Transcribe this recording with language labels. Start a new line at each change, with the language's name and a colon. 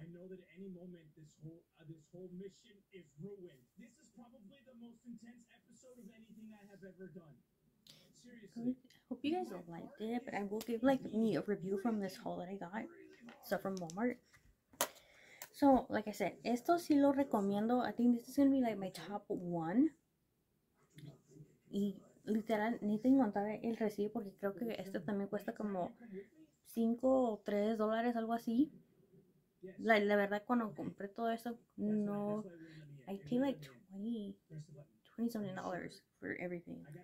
English: I know that at any moment this whole mission is ruined. This is probably the most intense episode of anything I have ever done. Seriously. Hope you guys liked it, but I will give like me a review from this haul that I got. So from Walmart. So like I said,
Spanish: esto sí lo recomiendo.
English: I think this is gonna be like my top one.
Spanish: Y literal ni tengo que contar el recibo porque creo que esto también cuesta como $5 or $3, algo así. La verdad, cuando compré todo eso, no,
English: I paid like $20 something for everything.